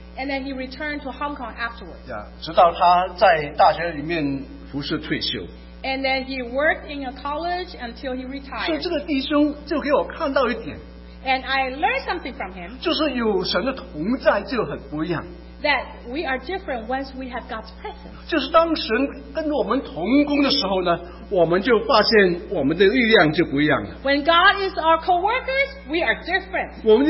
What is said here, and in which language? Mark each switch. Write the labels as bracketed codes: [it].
[en] And then he returned to Hong Kong afterwards. [zh] Yeah, 直到他在大学里面服侍退休。 [en] And then he worked in a college until he retired. [zh] 所以这个弟兄就给我看到一点。 [en] And I learned something from him. [zh] 就是有神的同在就很不一样。 [en] That we are different once we have God's presence. [zh] 就是当神跟我们同工的时候呢， 我们就发现我们的力量就不一样了。 [en] When God is our co-workers, we are different.